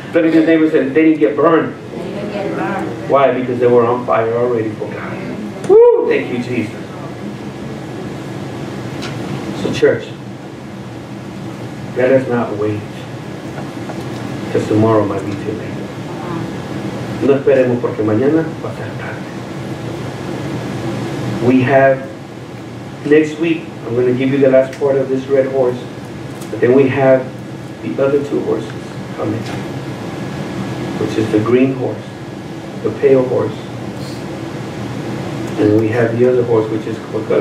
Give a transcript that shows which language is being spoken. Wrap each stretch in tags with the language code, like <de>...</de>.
<en>Look at your neighbor said, they didn't get burned. Why? Because they were on fire already for God. Woo! Thank you, Jesus. So church, let us not wait, because tomorrow might be too late.</en> <es>No esperemos porque mañana va a ser tarde.</es> <en>We have, next week, I'm going to give you the last part of this red horse, but then we have the other two horses coming, which is the green horse, the pale horse, and we have the other horse, which is what color?</en>